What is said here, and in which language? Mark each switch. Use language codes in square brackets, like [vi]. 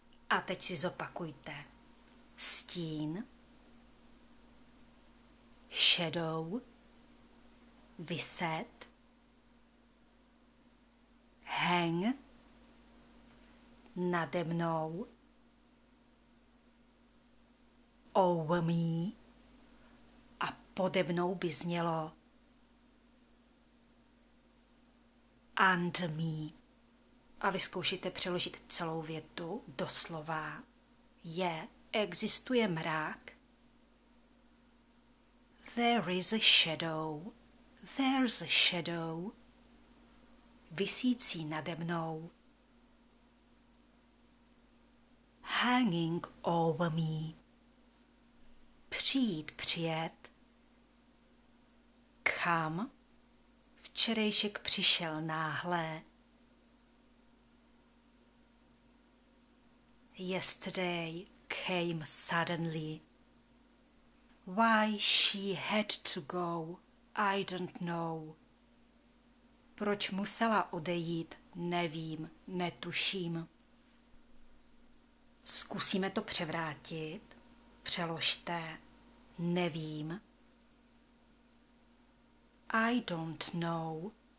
[cs] A teď si zopakujte. Stín, shadow, viset, hang, nade mnou, [en] over me. [cs] A pode mnou by znělo [en] under me. [cs] A vyzkoušíte přeložit celou větu do slova. Je, existuje mrak. [en] There is a shadow. There's a shadow. [cs] visící nade mnou. [en] Hanging over me. [cs] Přijít, přijet. [en] Come. [cs] Včerejšek přišel náhle. [en] Yesterday came suddenly. Why she had to go, I don't know. [cs] Proč musela odejít, nevím, netuším. Zkusíme to převrátit. Přeložte. Nevím. [en] I don't know.